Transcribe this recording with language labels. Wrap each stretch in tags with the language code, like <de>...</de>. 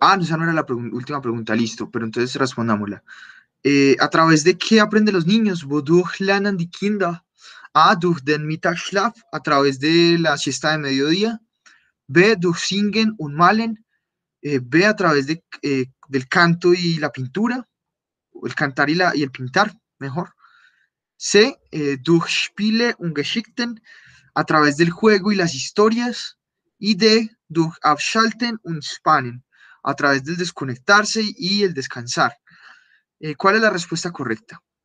<es>Esa no era la última pregunta. Listo. Pero entonces respondámosla. ¿A través de qué aprenden los niños?</es> <de>Wodurch lernen die Kinder? A. Durch den Mittagsschlaf.</de> <es>A través de la siesta de mediodía. B.</es> <de>Durch singen und malen.</de> <es>B. A través de, del canto y la pintura. El cantar y el pintar, mejor. C.</es> <de>Durch Spiele und Geschichten.</de> <es>A través del juego y las historias. Y D.</es> <de>Durch Abschalten und Spannen.</de> <es>A través del desconectarse y el descansar. ¿Cuál es la respuesta correcta?</es>